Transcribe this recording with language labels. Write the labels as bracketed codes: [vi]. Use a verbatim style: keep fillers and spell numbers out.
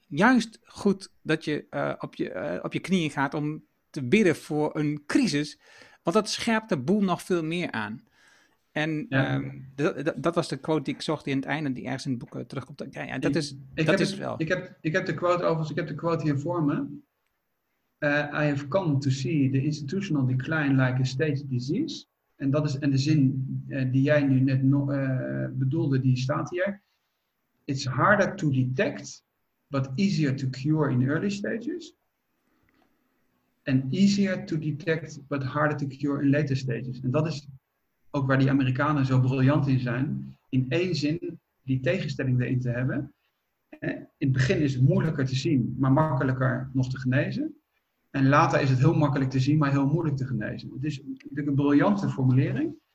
[nl] Juist goed dat je, uh, op je, uh, op je knieën gaat om te bidden voor een crisis. Want dat scherpt de boel nog veel meer aan. En ja. um, d- d- dat was de quote die ik zocht in het einde, die ergens in het boek uh, terugkomt. Ja, ja, dat is, ik, dat ik heb is het, wel. Ik heb, ik heb de quote overigens, ik heb de quote hier voor me. [en] Uh, I have come to see the institutional decline like a state disease. [nl] En dat is en de zin uh, die jij nu net no, uh, bedoelde, die staat hier. [en] It's harder to detect, but easier to cure in early stages, and easier to detect, but harder to cure in later stages. [nl] En dat is ook waar die Amerikanen zo briljant in zijn, in één zin die tegenstelling erin te hebben. In het begin is het moeilijker te zien, maar makkelijker nog te genezen. En later is het heel makkelijk te zien, maar heel moeilijk te genezen. Het is natuurlijk een briljante formulering.